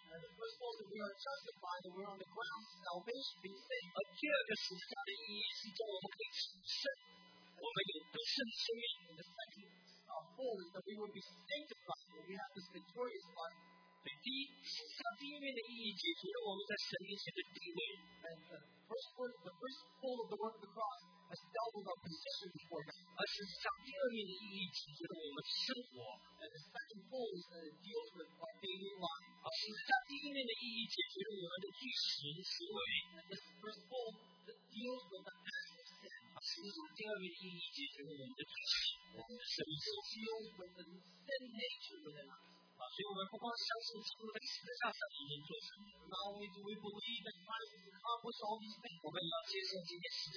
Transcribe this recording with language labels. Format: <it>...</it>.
<en>And the first goal is that we are justified, that we are on the ground of salvation, being saved.</en> <zh>第二个十字架的意义是叫我们可以得胜，我们有得胜的生命。</zh> <en>And the second goal is that we will be sanctified, that we have this victorious life.</en> <zh>对，第一，十字架第一面的意义解决了我们在神面前的地位。</zh> <en>And the first goal of the work of the cross has dealt with our position before God.</en> <zh>而十字架第二面的意义解决了我们生活。</zh> <en>And the second goal is that it deals with our daily life.</en> <zh>而十字架第一面的意义解决了我们的意识行为。</zh> <en>And the first goal deals with the past of sin.</en> <zh>而十字架第二面的意义解决了我们的意识，我们的神识。</zh> <en>It deals with the sin nature within us.</en> <zh>所以我们不光相信基督在十字架上已经做成了。</zh> <en>Not only do we believe that Christ has accomplished all these things,</en>